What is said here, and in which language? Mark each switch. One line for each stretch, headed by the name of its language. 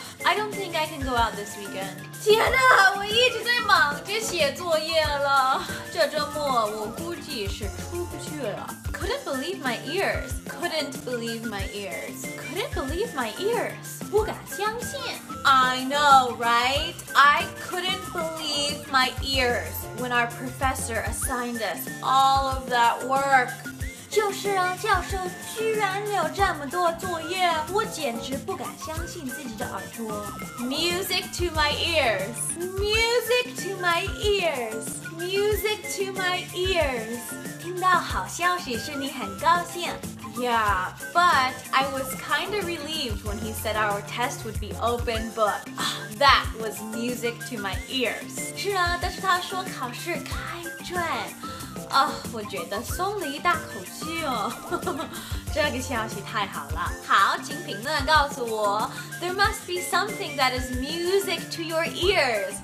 English: I don't think I can go out this weekend.
Chinese: 天哪，我一直在忙着写作业了。这周末我估计是出不去了。
English: Couldn't believe my ears. Couldn't believe my ears. Couldn't believe my ears.
Chinese: 不敢相信。
English: I know, right? I couldn't believe my ears when our professor assigned us all of that work.
Chinese: 就是啊，教授居然有这么多作业，我简直不敢相信自己的耳朵。
English: Music to my ears, music to my ears, music to my ears.
Chinese: 听到好消息使你很高兴。
English: Yeah, but I was kind of relieved when he said our test would be open book. That was music to my ears.
Chinese: 是啊，但是他说考试开卷。我觉得松了一大口气哦。真这个消息太好了。好，请评论告诉我。
English: There must be something that is music to your ears.